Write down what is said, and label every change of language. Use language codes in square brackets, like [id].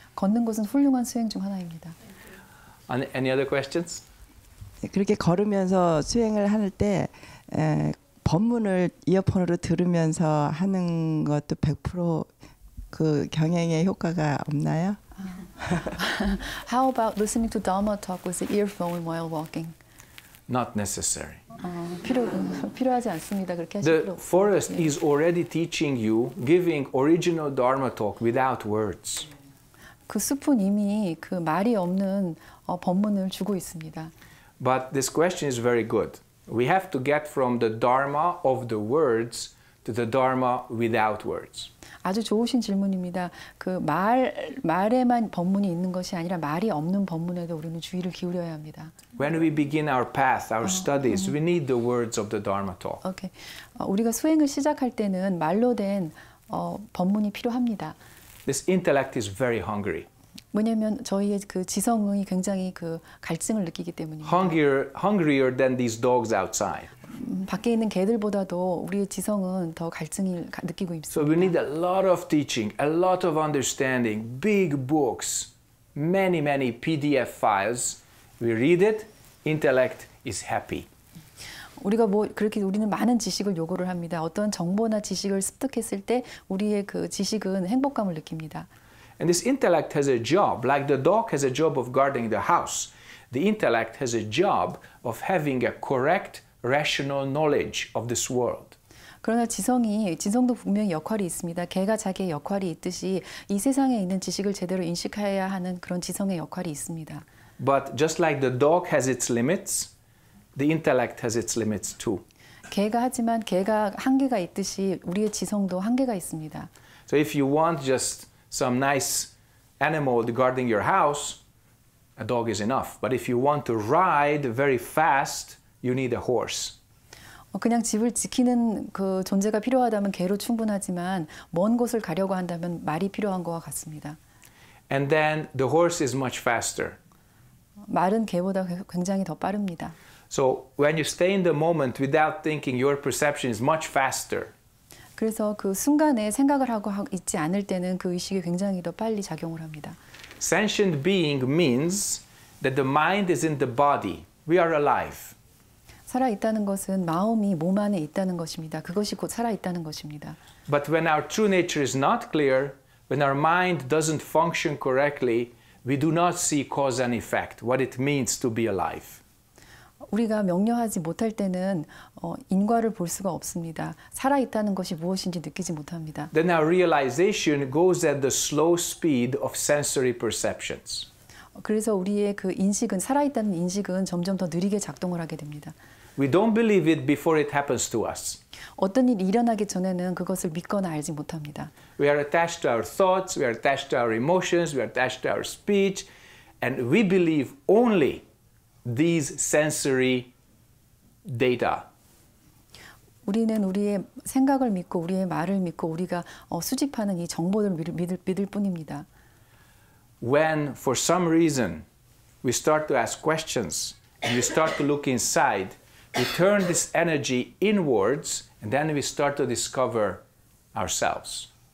[ko] 걷는 것은 훌륭한 수행 중 하나입니다. [en] Any other questions? [ko] 그렇게 걸으면서 수행을 할 때 법문을 이어폰으로 들으면서 하는 것도 100% 그 경행에 효과가 없나요? [en] How about listening to Dharma talk with the earphone while walking? Not necessary. [ko] 필요하지 않습니다. 그렇게 하실 필요 없어요. [en] The forest is already teaching you, giving original Dharma talk without words. [ko] 그 숲은 이미 그 말이 없는 법문을 주고 있습니다. [en] But this question is very good. We have to get from the Dharma of the words to the Dharma without words. [ko] 아주 좋으신 질문입니다. 그 말에만 법문이 있는 것이 아니라 말이 없는 법문에도 우리는 주의를 기울여야 합니다. [en] When we begin our path, our studies, we need the words of the Dharma talk. Okay. [ko] 우리가 수행을 시작할 때는 말로 된 법문이 필요합니다. [en] This intellect is very hungry. [ko] 뭐냐면 저희의 그 지성이 굉장히 그 갈증을 느끼기 때문입니다. [en] Hungrier than these dogs outside. [ko] 밖에 있는 개들보다도 우리의 지성은 더 갈증을 느끼고 있습니다. [en] So we need a lot of teaching, a lot of understanding, big books, many PDF files, We read it, intellect is happy. [ko] 우리가 뭐 그렇게 우리는 많은 지식을 요구를 합니다. 어떤 정보나 지식을 습득했을 때 우리의 그 지식은 행복감을 느낍니다. [en] And this intellect has a job, like the dog has a job of guarding the house. The intellect has a job of having a correct rational knowledge of this world. [ko] 그러나 지성도 분명히 역할이 있습니다. 개가 자기의 역할이 있듯이 이 세상에 있는 지식을 제대로 인식해야 하는 그런 지성의 역할이 있습니다. [en] But just like the dog has its limits, the intellect has its limits too. [ko] 개가 한계가 있듯이 우리의 지성도 한계가 있습니다. [en] So if you want just some nice animal guarding your house, a dog is enough. But if you want to ride very fast, you need a horse. [ko] 그냥 집을 지키는 그 존재가 필요하다면 개로 충분하지만 먼 곳을 가려고 한다면 말이 필요한 것과 같습니다. [en] And then the horse is much faster. [ko] 말은 개보다 굉장히 더 빠릅니다. [en] So when you stay in the moment without thinking, your perception is much faster. [ko] 그래서 그 순간에 생각을 하고 있지 않을 때는 그 의식이 굉장히 더 빨리 작용을 합니다. [en] Sentient being means that the mind is in the body. We are alive. [ko] 살아 있다는 것은 마음이 몸 안에 있다는 것입니다. 그것이 곧 살아 있다는 것입니다. [en] But when our true nature is not clear, when our mind doesn't function correctly, we do not see cause and effect, what it means to be alive. [ko] 우리가 명료하지 못할 때는 인과를 볼 수가 없습니다. 살아 있다는 것이 무엇인지 느끼지 못합니다. [en] Then our realization goes at the slow speed of sensory perceptions. [ko] 그래서 우리의 그 인식은 살아 있다는 인식은 점점 더 느리게 작동을 하게 됩니다. [en] We don't believe it before it happens to us. [ko] 어떤 일이 일어나기 전에는 그것을 믿거나 알지 못합니다. [en] We are attached to our thoughts, we are attached to our emotions, we are attached to our speech, and we believe only these sensory data. [ko] 우리는 우리의 생각을 믿고 우리의 말을 믿고 우리가 수집하는 이 정보를 믿을 뿐입니다. [en] When for some reason we start to ask questions and we start to look inside, we turn this energy inwards and then we start to discover ourselves.